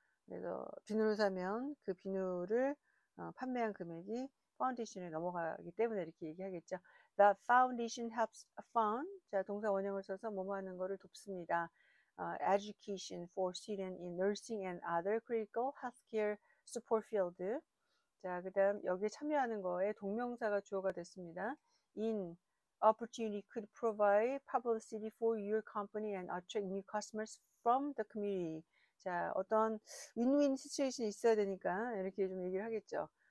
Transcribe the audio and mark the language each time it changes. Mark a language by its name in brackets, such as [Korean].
[Korean] 그래서 비누를 사면 그 비누를 판매한 금액이 foundation에 넘어가기 때문에 이렇게 얘기하겠죠. [English] The foundation helps fund [Korean] 자 동사 원형을 써서 뭐뭐하는 거를 돕습니다. [English] Education for students in nursing and other critical healthcare support field. [Korean] 자, 그 다음 여기에 참여하는 거에 동명사가 주어가 됐습니다. [English] In opportunity could provide publicity for your company and attract new customers from the community. [Korean] 자, 어떤 윈윈 시츄에이션이 있어야 되니까 이렇게 좀 얘기를 하겠죠.